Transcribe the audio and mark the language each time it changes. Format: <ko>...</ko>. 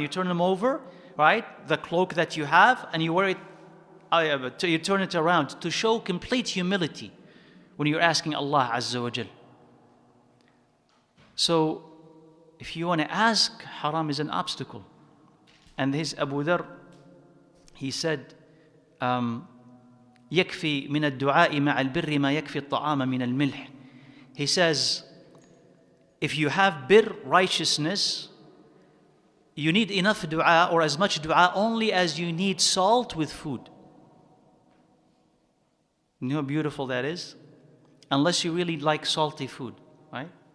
<en>You turn them over, right? The cloak that you have, and you wear it, you turn it around to show complete humility when you're asking Allah Azza wa Jal. So, if you want to ask, haram is an obstacle. And his Abu Dharr, he said,</en> <ar>يكفي من الدعاء مع البر ما يكفي الطعام من الملح.</ar> <en>He says, if you have bir, righteousness, you need enough dua or as much dua only as you need salt with food. You know how beautiful that is? Unless you really like salty food, right?</en>